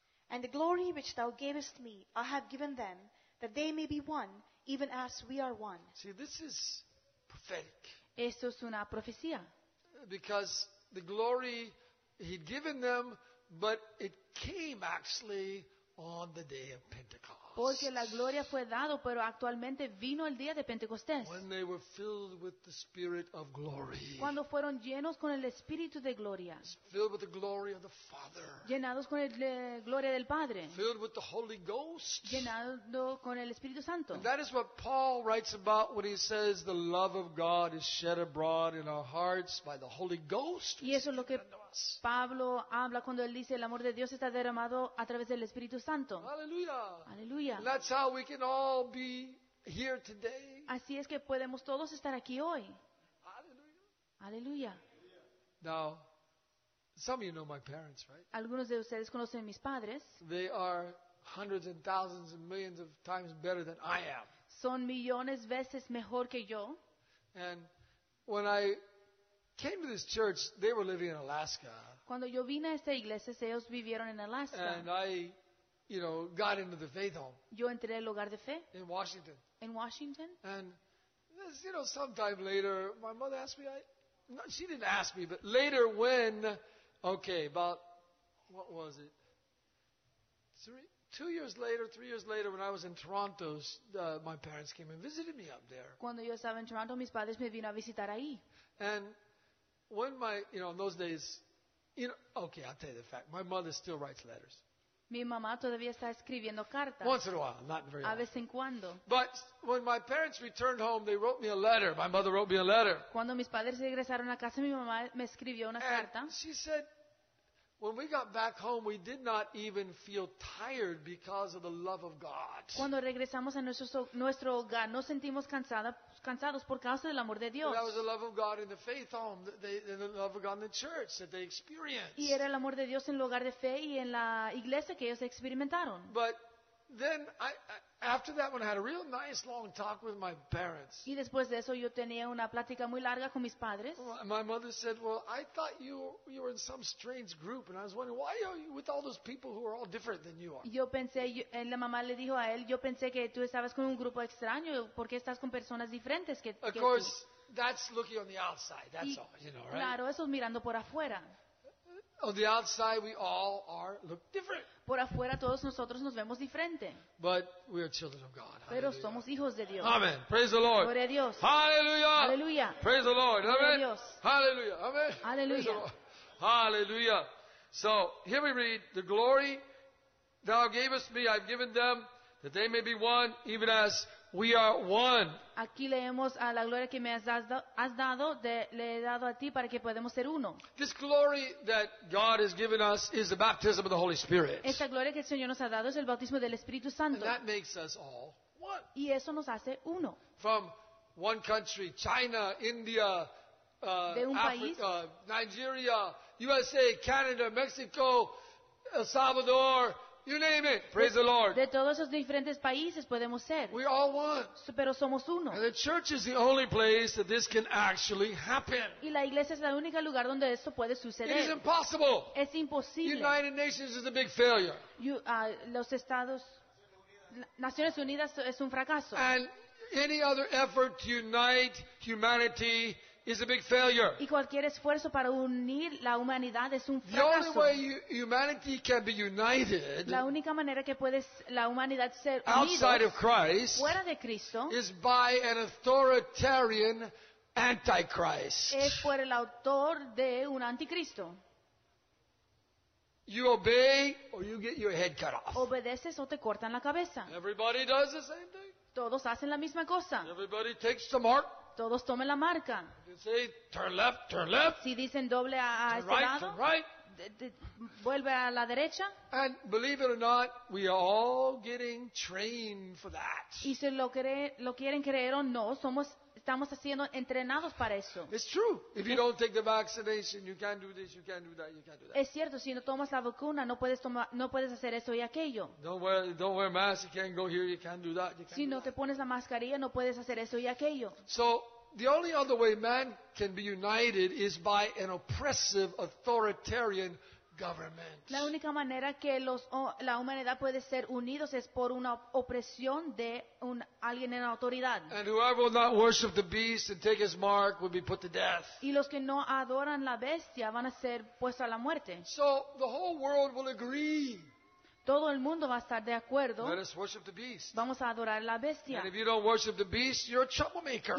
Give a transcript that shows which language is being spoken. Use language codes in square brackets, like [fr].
[en] And the glory which thou gavest me, I have given them, that they may be one, even as we are one. See, this is prophetic. [es] Esto es una profecía. [en] Because the glory he'd given them, but it came actually on the day of Pentecost. [es] Porque la gloria fue dado, pero actualmente vino el día de Pentecostés. [en] When they were filled with the Spirit of glory. [es] Cuando fueron llenos con el Espíritu de gloria. [en] Filled with the glory of the Father. [es] Llenados con la gloria del Padre. [en] Filled with the Holy Ghost. [es] Llenado con el Espíritu Santo. [en] And that is what Paul writes about when he says the love of God is shed abroad in our hearts by the Holy Ghost. [es] Y eso es lo que Pablo habla cuando él dice el amor de Dios está derramado a través del Espíritu Santo. Aleluya. Aleluya. [en] And that's how we can all be here today. [es] Así es que podemos todos estar aquí hoy. Aleluya. Aleluya. [en] Now, some of you know my parents, right? [es] Algunos de ustedes conocen mis padres. [en] They are hundreds and thousands and millions of times better than I am. [es] Son millones veces mejor que yo. [en] And when I came to this church, they were living in Alaska. [es] Cuando yo vine a esta iglesia, ellos vivieron en Alaska. [en] And I, you know, got into the faith home. [es] Yo entré al hogar de fe. [en] In Washington. In Washington. And this, you know, sometime later, my mother asked me, she didn't ask me, but later when, okay, about, what was it? Three years later, when I was in Toronto, my parents came and visited me up there. [es] Cuando yo estaba en Toronto, mis padres me vino a visitar ahí. [en] And when my, you know, in those days, you know, okay, I'll tell you the fact. My mother still writes letters. [es] Mi mamá todavía está escribiendo cartas. [en] Once in a while, not very often. [es] A vez en cuando. [en] But when my parents returned home, they wrote me a letter. My mother wrote me a letter. [es] Cuando mis padres regresaron a casa, mi mamá me escribió una carta. [en] She said, when we got back home, we did not even feel tired because of the love of God. [es] Cuando regresamos a nuestro hogar, no sentimos cansados por causa del amor de Dios. [en] That was the love of God in the faith home, the love of God in the church that they experienced. [es] Y era el amor de Dios en el hogar de fe y en la iglesia que ellos experimentaron. [en] But then after that one, I had a real nice long talk with my parents. [es] Y después de eso, yo tenía una plática muy larga con mis padres. [en] My mother said, well, I thought you were in some strange group, and I was wondering, why are you with all those people who are all different than you are? [es] Yo pensé, la mamá le dijo a él, yo pensé que tú estabas con un grupo extraño, ¿por qué estás con personas diferentes que tú? [en] Of course, that's looking on the outside, that's all, you know, right? [es] Claro, eso es mirando por afuera. [en] On the outside, we all are look different. [es] Por afuera, todos nosotros nos vemos diferente. [en] But we are children of God. [es] Pero [en] hallelujah. [es] Somos hijos de Dios. [en] Amen. Praise the Lord. [es] Gloria a Dios. [en] Hallelujah. Hallelujah. Praise the Lord. [es] Gloria [en] amen. [es] A Dios. [en] Hallelujah. Amen. Hallelujah. Hallelujah. So here we read, the glory thou gavest me, I've given them, that they may be one, even as we are one. [es] Aquí leemos a la gloria que me has dado, le he dado a ti para que podamos ser uno. [en] This glory that God has given us is the baptism of the Holy Spirit. [es] Esta gloria que el Señor nos ha dado es el bautismo del Espíritu Santo. [en] And that makes us all one. [es] Y eso nos hace uno. [en] From one country, China, India, Africa, Nigeria, USA, Canada, Mexico, El Salvador. You name it. Praise the Lord. [es] De todos esos diferentes países podemos ser. [en] We all one. [es] Pero somos uno. [en] And the church is the only place that this can actually happen. [es] Y la iglesia es el único lugar donde esto puede suceder. [en] It is impossible. [es] Es imposible. [en] United Nations is a big failure. [es] Los Estados, Naciones Unidas es un fracaso. [en] And any other effort to unite humanity is a big failure. [es] Y cualquier esfuerzo para unir la humanidad es un fracaso. [en] The only way humanity can be united, [es] la única manera que puede la humanidad ser unida, [en] outside of Christ, [es] fuera de Cristo, [en] is by an authoritarian antichrist. [es] Es por el autor de un anticristo. [en] You obey or you get your head cut off. [es] Obedeces o te cortan la cabeza. [en] Everybody does the same thing. [es] Todos hacen la misma cosa. [en] Everybody takes the mark. [es] Todos tomen la marca. [en] Say, turn left, turn left. [es] Si dicen doble a ese [en] right, [es] lado, [en] turn right. [es] Vuelve a la derecha. [en] And believe it or not, we are all getting trained for that. [es] Y si lo quieren creer o no, estamos siendo entrenados para eso. [en] It's true. If you don't take the vaccination, you can't do this, you can't do that, you can't do that. [es] Es cierto, si no tomas la vacuna, no puedes hacer eso y aquello. [en] Don't wear masks, you can't go here, you can't do that. [es] Si no te pones la mascarilla, no puedes hacer eso y aquello. [en] So the only other way man can be united is by an oppressive authoritarian government. [es] La única manera que la humanidad puede ser unidos es por una opresión de alguien en autoridad. [en] And whoever will not worship the beast and take his mark will be put to death. [es] Y los que no adoran la bestia van a ser puestos a la muerte. [en] So the whole world will agree. [es] Todo el mundo va a estar de acuerdo. [en] Let us worship the beast. [es] Vamos a adorar la bestia. [en] And if you don't worship the beast, you're a troublemaker.